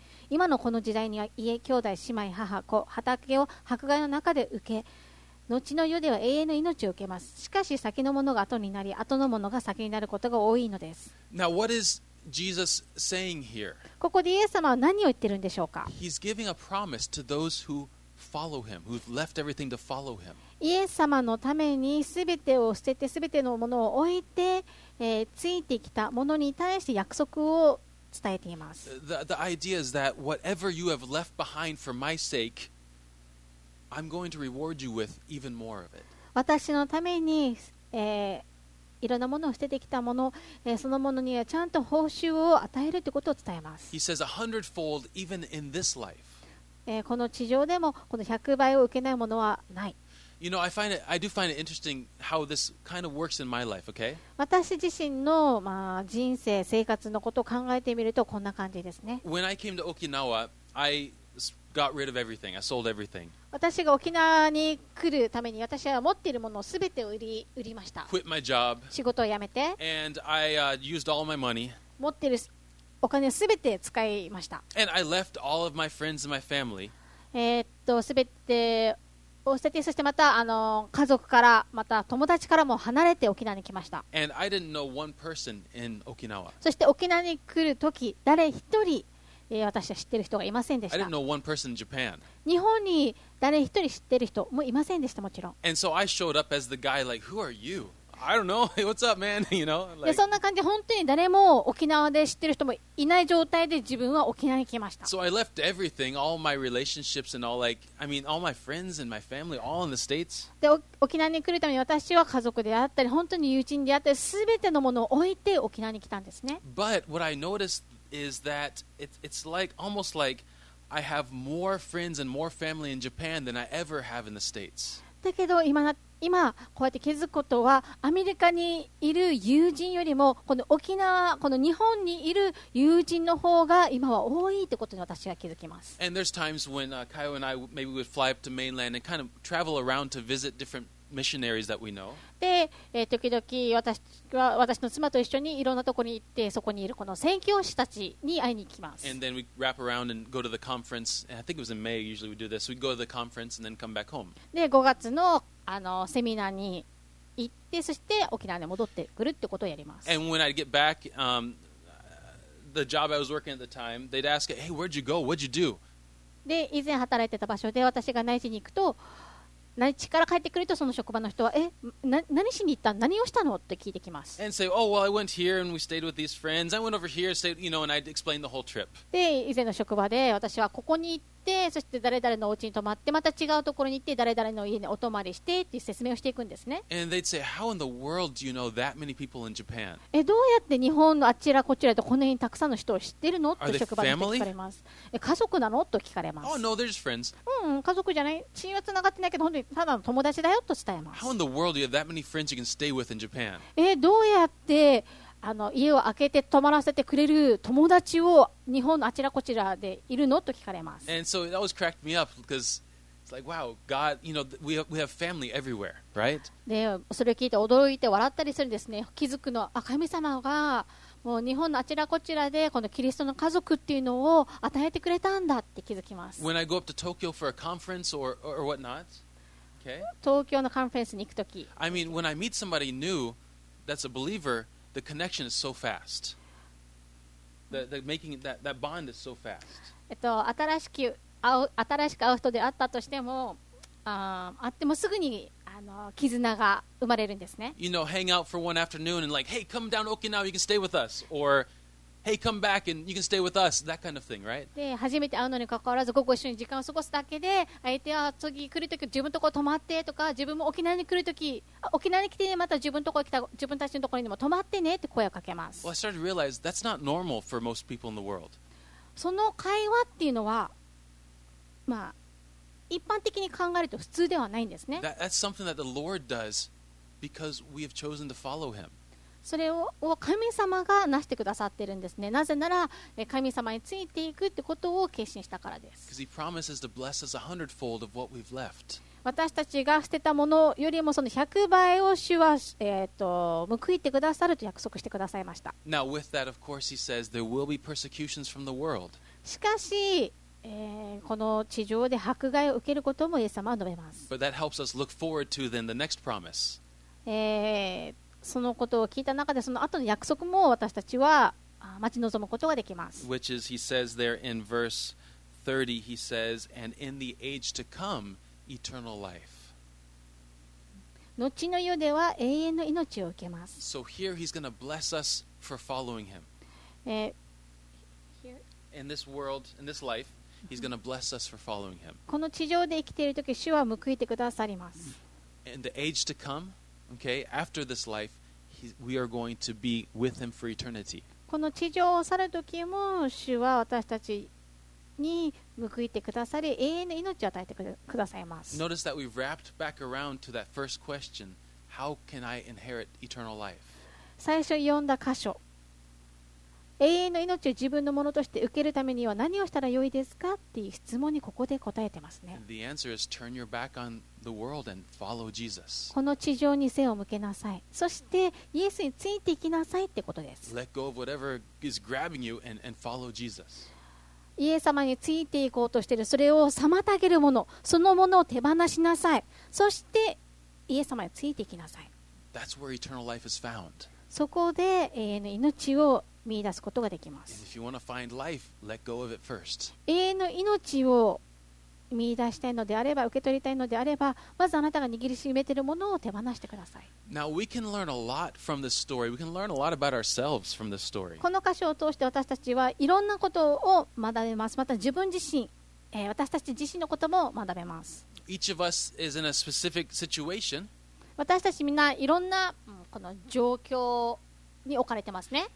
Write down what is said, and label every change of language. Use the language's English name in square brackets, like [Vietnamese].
[Japanese] 今のこの時代には家、兄弟、姉妹、母、子、畑を迫害の中で受け、後の世では永遠の命を受けます。しかし先のものが後になり、後のものが先になることが多いのです。 [English] Now, what is Jesus saying here? [Japanese] ここでイエス様は何を言ってるんでしょうか? [English] He's giving a promise to those who follow him, who've left everything to follow him. [Japanese] イエス様のために全てを捨てて、全てのものを置いて、ついてきたものに対して約束を伝えています。 [English] The idea is that whatever you have left behind for my sake, I'm going to reward you with even more of it. [Japanese] 私のために、いろんなものを捨ててきたもの、そのものにはちゃんと報酬を与えるということを伝えます。 [English] He says a hundredfold even in this life. [Japanese] この地上でもこの100倍を受けないものはない。 [English] You know, I do find it interesting how this kind of works in my life, okay? [Japanese] 私自身の、人生、生活のことを考えてみるとこんな感じですね。 [English] When I came to Okinawa, I got rid of everything. I sold everything. [Japanese] 私が沖縄に来るために私は持っているものを全てを売りました。 [English] Quit my job. [Japanese] 仕事を辞めて。 [English] And I used all my money. [Japanese] 持っているお金すべて使いました。 [English] And I left all of my friends and my family. [Japanese] すべてを捨てて、そしてまた家族から、また友達からも離れて沖縄に来ました。 [English] And I didn't know one person in Okinawa. [Japanese] そして沖縄に来るとき、誰一人、私は知ってる人がいませんでした。 [English] I didn't know one person in Japan. [Japanese] 日本に誰一人知ってる人もいませんでした、もちろん。 [English] And so I showed up as the guy like, who are you? I don't know. Hey, what's up, man? You know, like, [Japanese] そんな感じ。本当に誰も沖縄で知ってる人もいない状態で自分は沖縄に来ました。 [English] So I left everything, all my relationships and all like, I mean, all my friends and my family, all in the States. [Japanese] で、沖縄に来るために私は家族であったり、本当に友人であったり、すべてのものを置いて沖縄に来たんですね。 [English] But what I noticed is that it's like almost like I have more friends and more family in Japan than I ever have in the States. [Japanese] だけど 今こうやって気づくことはアメリカにいる友人よりもこの沖縄この日本にいる友人の方が今は多いってことに私は気づきます。 [English] And there's times when Kaio and I maybe would fly up to mainland and kind of travel around to visit different missionaries that we know. [Japanese] で、時々私の妻と一緒にいろんなところに行ってそこにいるこの宣教師たちに会いに行きます。 [English] And then we wrap around and go to the conference. I think it was in May. Usually we do this. We go to the conference and then come back home. [Japanese] で、5月のセミナーに行ってそして沖縄に戻ってくるってことをやります。 [English] And when I'd get back, the job I was working at the time, they'd ask, "Hey, where'd you go? What'd you do?" [Japanese] で、以前働いてた場所で私が内地に行くと。内地から帰ってくるとその職場の人は何しに行った何をしたのって聞いてきます。 [English] And say, oh, well, I went here and we stayed with these friends. I went over here, stayed, you know, and I explained the whole trip. [Japanese] で、以前の職場で私はここに行ってて、そして誰々のお家に泊まって、また違うところに行って誰々の家にお泊まりしてっていう説明をしていくんですね。 [English] And they'd say, how in the world do you know that many people in Japan? [Japanese] え、どうやって日本のあちらこちらでこの辺にたくさんの人を知ってるの？と職場で聞かれます。え、家族なの？と聞かれます。 [English] Oh, no, they're just friends. [Japanese] うん、家族じゃない。血はつながってないけど、本当にただの友達だよと伝えます。 [English] How in the world do you have that many friends you can stay with in Japan? [Japanese] え、どうやって家を開けて泊まらせてくれる友達を日本のあちらこちらでいるの？と聞かれます。 [English] And so it always cracked me up because it's like, wow, God, you know, we have family everywhere, right? [Japanese] で、それを聞いて驚いて笑ったりするんですね。気づくの、あ、神様がもう日本のあちらこちらでこのキリストの家族っていうのを与えてくれたんだって気づきます。 [English] When I go up to Tokyo for a conference or whatnot, okay? [Japanese] 東京のカンファレンスに行くとき。 [English] I mean, when I meet somebody new that's a believer,The connection is so fast. The making that bond is so fast. [Japanese] 新しく会う人であったとしても、会ってもすぐに絆が生まれるんですね。 [English] You know, hang out for one afternoon and like, hey, come down to Okinawa, you can stay with us. Or, hey, come back and you can stay with us. That kind of thing, right? [Japanese] で、初めて会うのに関わらず、午後一緒に時間を過ごすだけで、相手は次来るとき自分のところ泊まってとか、自分も沖縄に来るとき、沖縄に来て、ね、また自分のところ来た、自分たちのところにも泊まってねって声をかけます。 [English] Well, I started to realize that's not normal for most people in the world. [Japanese] その会話っていうのは、まあ、一般的に考えると普通ではないんですね。 [English] That's something that the Lord does because we have chosen to follow Him. [Japanese] それを神様がなしてくださってるんですね。なぜなら神様についていくってことを決心したからです。 [English] Because he promises to bless us a hundredfold of what we've left. [Japanese] 私たちが捨てたものよりもその100倍を主は報いてくださると約束してくださいました。 [English] Now with that, of course, he says there will be persecutions from the world. [Japanese] しかし、この地上で迫害を受けることもイエス様は述べます。 [English] But that helps us look forward to then the next promise. [Japanese] そのことを聞いた中でその後の約束も私たちは待ち望むことができます。 [English] Which is, he says there in verse 30, he says, and in the age to come, eternal life. [Japanese] 後の世では永遠の命を受けます。 [English] So here he's going to bless us for following him. In this world, in this life, he's going to bless us for following him. [Japanese] この地上で生きているとき、主は報いてくださります。 [English] In the age to come,Okay, after this life, we are going to be with him for eternity. [Japanese] この地上を去る時も主は私たちに報いてくださり永遠の命を与えてくださいます。 [English] Notice that we've wrapped back around to that first question, how can I inherit eternal life? [Japanese] 最初読んだ箇所。永遠の命を自分のものとして受けるためには何をしたらよいですかっていう質問にここで答えてますね。 [English] And the answer is turn your back on the world and follow Jesus. [Japanese] この地上に背を向けなさい。そしてイエスについていきなさいってことです。 [English] Let go of whatever is grabbing you and follow Jesus. [Japanese] イエス様についていこうとしているそれを妨げるもの、そのものを手放しなさい。そしてイエス様についていきなさい。 [English] That's where eternal life is found. [Japanese] そこで永遠の命を見出すことができます。 [English] Life, [Japanese] 永遠の命を見出したいのであれば、受け取りたいのであれば、まずあなたが握りしめているものを手放してください。 [English] Now we can learn a lot from this story. We can learn a lot about ourselves from this story. [Japanese] この箇所を通して私たちはいろんなことを学べます。また自分自身、私たち自身のことも学べます。 [English] Each of us is in a specific situation. [Japanese] 私たちみんないろんなこの状況に置かれてますね。